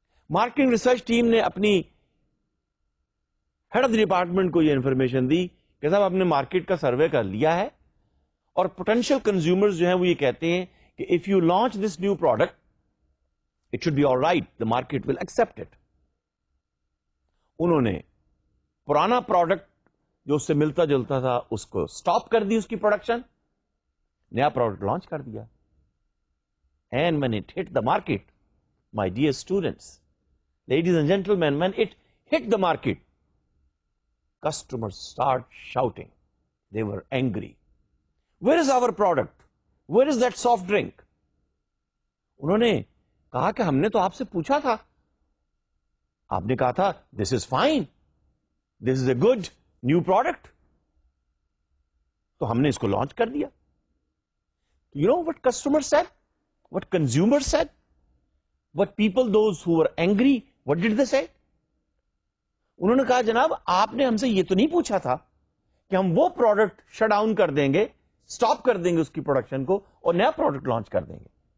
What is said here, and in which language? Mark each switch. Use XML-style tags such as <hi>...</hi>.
<ur>Marketing research team نے اپنی head of the department کو یہ انفارمیشن دی کہ صاحب آپ نے مارکیٹ کا سروے کر لیا ہے اور پوٹینشیل کنزیومرز جو ہیں وہ یہ کہتے ہیں کہ</ur> <en>If you launch this new product it should be all right, the market will accept it.</en> <ur>انہوں نے پرانا پروڈکٹ جو اس سے ملتا جلتا تھا اس کو سٹاپ کر دی, اس کی پروڈکشن, نیا پروڈکٹ لانچ کر دیا.</ur> <en>And when it hit the market, my dear students, ladies and gentlemen, when it hit the market, customers start shouting, they were angry, where is our product, where is that soft drink.</en> <ur>انہوں نے کہا کہ ہم نے تو آپ سے پوچھا تھا, آپ نے کہا تھا</ur> <en>this is fine, this is a good new product,</en> <ur>تو ہم نے اس کو لانچ کر دیا.</ur> <en>You know what customer said, what consumer said, what people those who were angry, what did they say?</en> <ur>انہوں نے کہا جناب آپ نے ہم سے یہ تو نہیں پوچھا تھا کہ ہم وہ پروڈکٹ شٹ ڈاؤن کر دیں گے, اسٹاپ کر دیں گے اس کی پروڈکشن کو اور نیا پروڈکٹ لانچ کر دیں گے.</ur>